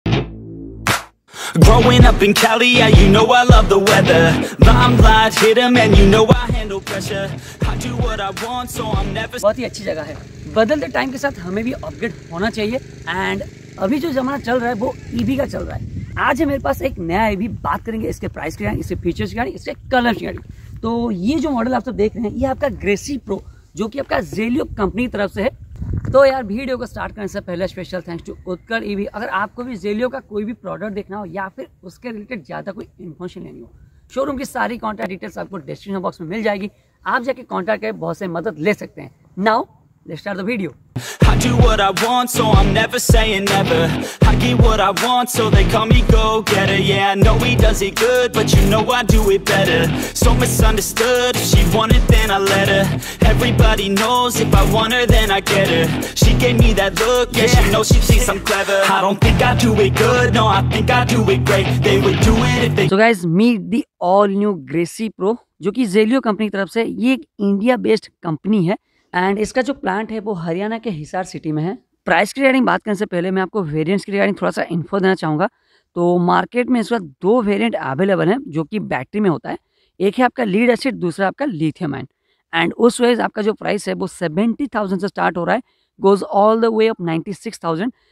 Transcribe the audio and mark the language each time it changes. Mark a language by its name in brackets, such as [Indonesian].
[English] Growing up in Cali, yeah, you know I love the weather. Limelight, hit 'em, and you know I handle pressure. [Hindi] बहुत ही अच्छी जगह है। बदलते time के साथ हमें भी अपग्रेड होना चाहिए। एंड अभी जो जमाना चल रहा है वो ईवी का चल रहा है। आज है मेरे पास एक नया ईवी, बात करेंगे इसके प्राइस के बारे में, इसके फीचर्स के बारे में, इसके कलर्स के बारे में। तो ये जो मॉडल आप सब देख रहे हैं ये आपका ग्रेसी प्रो, जो कि आपका ज़ेलियो कंपनी की तरफ से है। तो यार वीडियो को स्टार्ट करने से पहले special thanks to Utkal EV. अगर आपको भी ज़ेलियो का कोई भी प्रोडक्ट देखना हो या फिर उसके रिलेटेड ज़्यादा कोई इन्फॉर्मेशन लेनी हो, शोरूम की सारी कॉन्टैक्ट डिटेल्स आपको डिस्क्रिप्शन बॉक्स में मिल जाएगी। आप जाके कॉन्टैक्ट करके बहुत से मदद ले सकते हैं। [English] Now let's start the video. I do what I want, so I'm never saying never. I get what I want, so they call me go-getter. Yeah, I know he does it good, but you know I do it better. So misunderstood, if she want it, then I let her. Everybody knows, if I want her, then I get her. She gave me that look, yeah, she knows she thinks I'm clever. I don't think I do it good, no, I think I do it great. They would do it if they... So guys, meet the all-new Gracie Pro, [Hindi] जो कि ज़ेलियो company की तरफ से। ये एक India based company है and इसका जो प्लांट है वो हरियाणा के हिसार सिटी में है। प्राइस की रिगार्डिंग बात करने से पहले मैं आपको वेरिएंट्स की रिगार्डिंग थोड़ा सा इन्फो देना चाहूँगा। तो मार्केट में इस वक्त दो वेरिएंट अवेलेबल हैं जो कि बैटरी में होता है। एक है आपका लीड एसिड, दूसरा आपका लिथियम आयन। एंड उस वाइज आपका जो प्राइस है वो 70,000 से स्टार्ट हो रहा है, [English] goes all the way up [Hindi] 96,000।